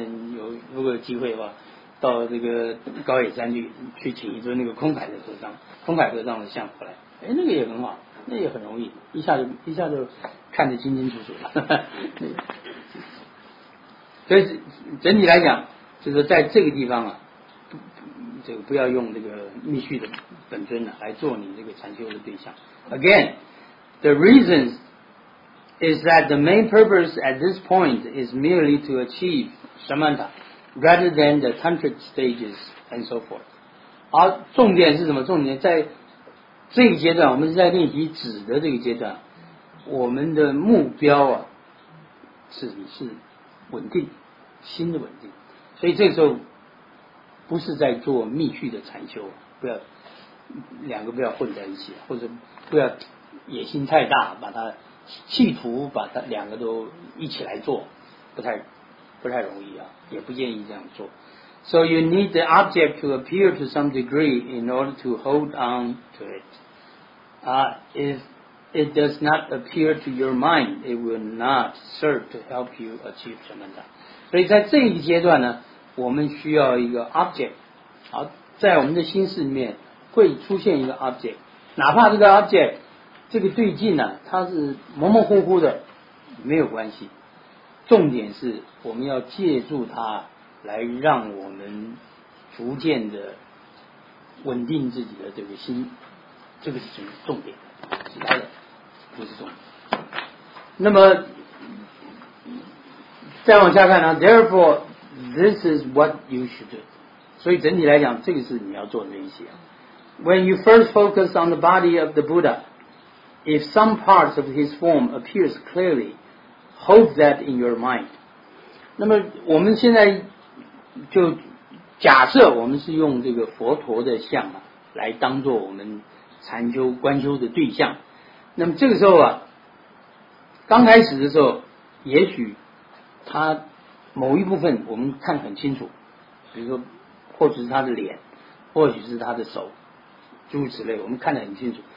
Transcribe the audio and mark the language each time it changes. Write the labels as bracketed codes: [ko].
[zh] 那如果有机会的话，到这个高野山去请一尊那个空海的和尚，空海和尚的像回来，哎，那个也很好。那也很容易，一下就看得清清楚楚了。所以整体来讲，就是在这个地方啊，不要用这个密续的本尊呢来做你这个禅修的对象。 [en] Again, the reason is that the main purpose at this point is merely to achieve samatha, rather than the tantric stages and so forth. [zh] 而重点是什么？重点在这个阶段，我们是在练习止的这个阶段，我们的目标啊，是稳定，心的稳定，所以这个时候不是在做密续的禅修，不要两个不要混在一起，或者不要野心太大，把它企图把它两个都一起来做，不太容易啊，也不建议这样做。 [en] So you need the object to appear to some degree in order to hold on to it. If it does not appear to your mind, it will not serve to help you achieve samatha. [zh] 所以在这一阶段呢，我们需要一个 object。好，在我们的心事里面会出现一个 object， 哪怕这个 object 这个对境呢，它是模模糊糊的，没有关系。重点是我们要借助它，来让我们逐渐的稳定自己的这个心，这个是重点，其他的不是重点。那么再往下看呢 [en] ？Therefore, this is what you should do. [zh] 所以整体来讲，这个是你要做的一些。 [en] When you first focus on the body of the Buddha, if some parts of his form appears clearly, hold that in your mind. [zh] 那么我们现在就假设我们是用这个佛陀的像啊，来当做我们禅修观修的对象。那么这个时候啊，刚开始的时候，也许他某一部分我们看很清楚，比如说或许是他的脸，或许是他的手，诸如此类，我们看得很清楚。